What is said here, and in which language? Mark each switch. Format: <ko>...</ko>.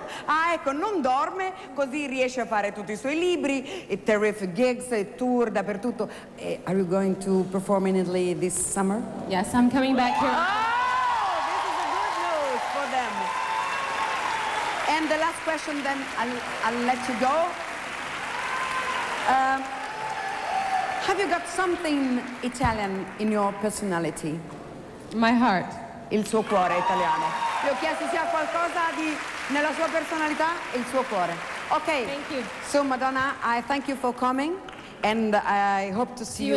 <it>Ah, ecco, non dorme, così riesce a fare tutti i suoi libri, e</it> <en>terrific gigs,</en> <it>e tour dappertutto.</it> <en>Are you going to perform in Italy this summer? Yes, I'm coming back here. Oh, this is a good news for them. And the last question, then I'll let you go. Have you got something Italian in your personality? My heart.</en> <it>Il suo cuore italiano. Gli ho chiesto se ha qualcosa di nella sua personalità, il suo cuore.</it> <en>Okay. Thank you. So Madonna, I thank you for coming and I hope to see you</en>